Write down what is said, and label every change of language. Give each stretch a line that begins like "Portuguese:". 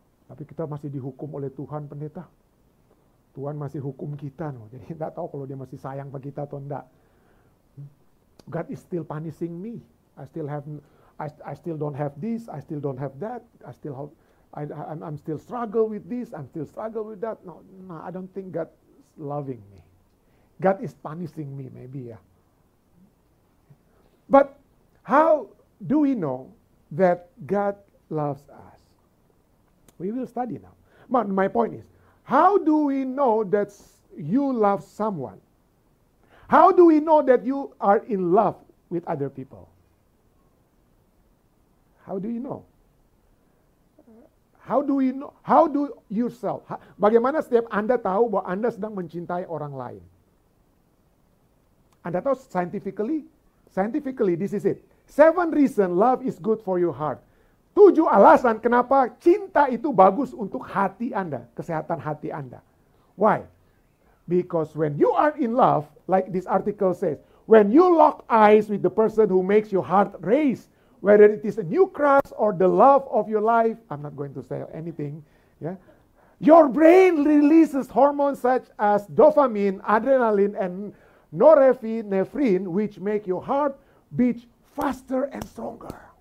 Indonesian: Tapi kita masih dihukum oleh Tuhan pendeta. Tuhan masih hukum kita. No. Jadi tidak tahu kalau dia masih sayang pada kita atau tidak.
English: God is still punishing me. I still don't have this. I still don't have that. I'm still struggle with this. I'm still struggle with that. No, I don't think God is loving me. God is punishing me maybe. Yeah. But how do we know that God loves us? We will study now. But my point is, how do we know that you love someone? How do we know that you are in love with other people? How do you know? How do you know? How do yourself?
Indonesian: Bagaimana setiap Anda tahu bahwa Anda sedang mencintai orang lain? Anda tahu scientifically?
English: Scientifically, this is it. 7 reasons love is good for your heart.
Indonesian: 7 alasan kenapa cinta itu bagus untuk hati Anda, kesehatan hati Anda.
English: Why? Because when you are in love, like this article says, when you lock eyes with the person who makes your heart race, whether it is a new crush or the love of your life, I'm not going to say anything, yeah? Your brain releases hormones such as dopamine, adrenaline, and norepinephrine, which make your heart beat faster and stronger.